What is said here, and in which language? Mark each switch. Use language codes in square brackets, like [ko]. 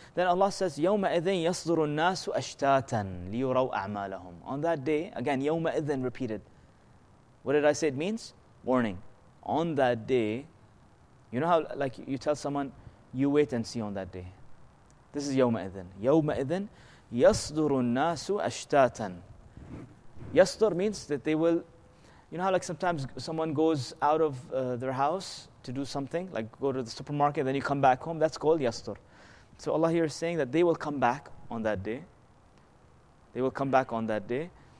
[en] Then Allah says, [ar] يَوْمَ إِذٍ يَصْدُرُ النَّاسُ أَشْتَاتًا لِيُرَوْا أَعْمَالَهُمْ. [en] On that day, again, يَوْمَ إِذٍ repeated. What did I say it means? Warning. On that day, you know how like you tell someone, you wait and see on that day. This is يَوْمَ إِذٍ. [ar] يَوْمَ إِذٍ يَصْدُرُ النَّاسُ أَشْتَاتًا. [en] يَصْدُر means that they will, you know how like sometimes someone goes out of their house to do something, like go to the supermarket, then you come back home, that's called yastur. So Allah here is saying that they will come back on that day. They will come back on that day.